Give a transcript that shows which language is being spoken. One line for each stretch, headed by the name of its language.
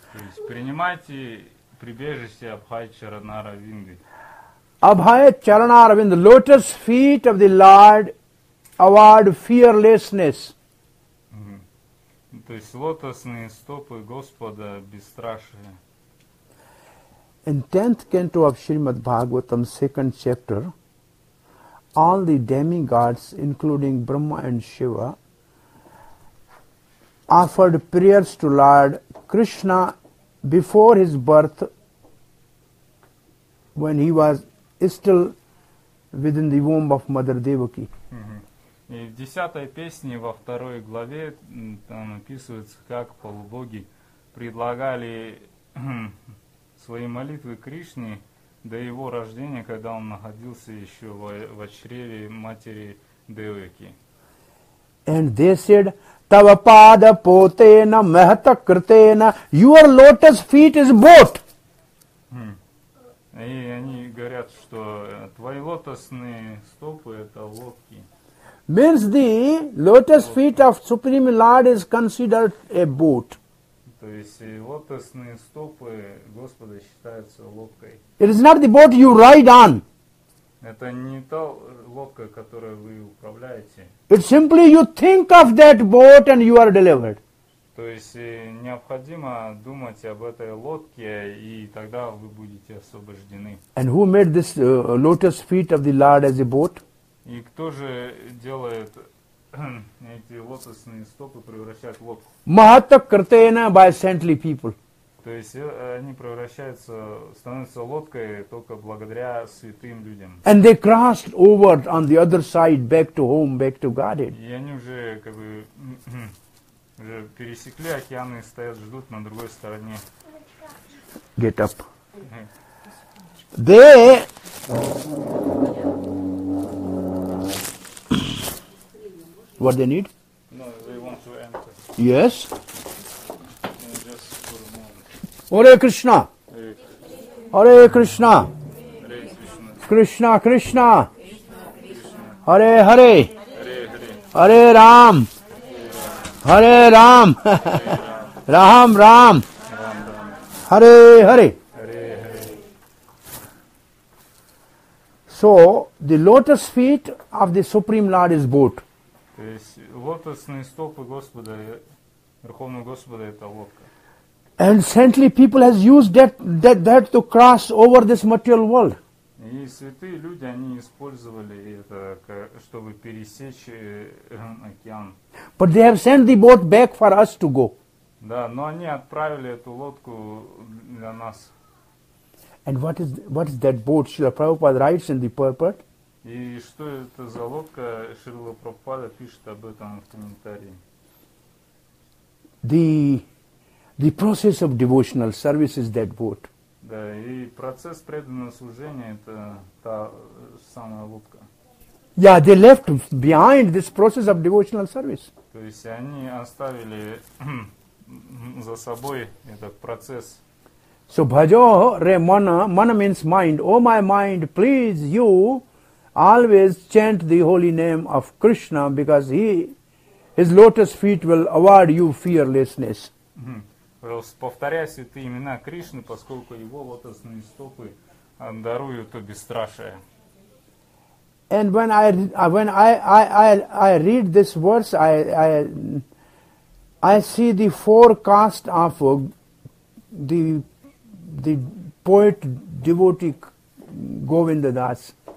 Russian: То есть принимайте прибежище Абхая Чаранаравинды.
English: Abhaya Charanaravinda, the lotus feet of the Lord award fearlessness.
Russian: То есть лотосные стопы Господа бесстрашие.
English: In 10th canto of Srimad Bhagavatam, 2nd chapter, all the demigods, including Brahma and Shiva, offered prayers to Lord Krishna before his birth when he was still within the womb of Mother Devaki.
Russian: И в 10-й песне, во 2-й главе, там описывается, как полубоги предлагали свои молитвы Кришне до его рождения, когда он находился еще в чреве матери Девяки.
English: And they said,
Sanskrit: Tava pada potena mahata kritena,
English: your lotus feet is both.
Russian: И они говорят, что твои лотосные стопы – это лодки.
English: Means the lotus feet of Supreme Lord is considered a boat.
Russian: То есть лотосные стопы Господа считаются лодкой.
English: It is not the boat you ride on.
Russian: Это не та лодка, которой вы управляете.
English: It's simply you think of that boat and you are delivered.
Russian: То есть необходимо думать об этой лодке, и тогда вы будете освобождены.
English: And who made this lotus feet of the Lord as a boat?
Russian: И кто же делает эти лотосные стопы, превращает в лодку?
English: Mahatakritena by saintly people.
Russian: То есть они превращаются, становятся лодкой только благодаря святым людям.
English: And they crossed over on the other side back to home, back to Godhead.
Russian: И они уже как бы уже пересекли океаны и стоят, ждут на другой стороне.
English: Get up. They... What they need? No, they want to enter. Yes. Just for a moment.
Sanskrit: Hare Krishna. Hare Krishna. Hare Krishna. Krishna Krishna. Krishna Krishna. Hare Hare. Hare Hare. Hare Ram. Hare Ram. Ram Ram. Ram Ram. Hare Hare.
English: So, the lotus feet of the Supreme Lord is boat.
Russian: То есть лотосные стопы Господа, Верховного Господа, это лодка.
English: And saintly people has used that to cross over this material world.
Russian: И святые люди, они использовали это, чтобы пересечь океан.
English: But they have sent the boat back for us to go.
Russian: Да, но они отправили эту лодку для нас.
English: And what is that boat? Srila Prabhupada writes in the purport.
Russian: И что это за лодка? Шрила Прабхупада пишет об этом в комментарии.
English: The process of devotional service is that boat.
Russian: Да, и процесс преданного служения это та самая лодка.
English: Yeah, they left behind this process of devotional service.
Russian: То есть они оставили за собой этот процесс.
English: So
Bangla: bhajo re mana,
English: mana means mind. Oh my mind, please you always chant the holy name of Krishna because his lotus feet will award you fearlessness.
Russian: Повторяй святые имена Кришны, поскольку его лотосные стопы даруют бесстрашие.
English: And when I read this verse, I see the forecast of the poet devotee Govinda Das.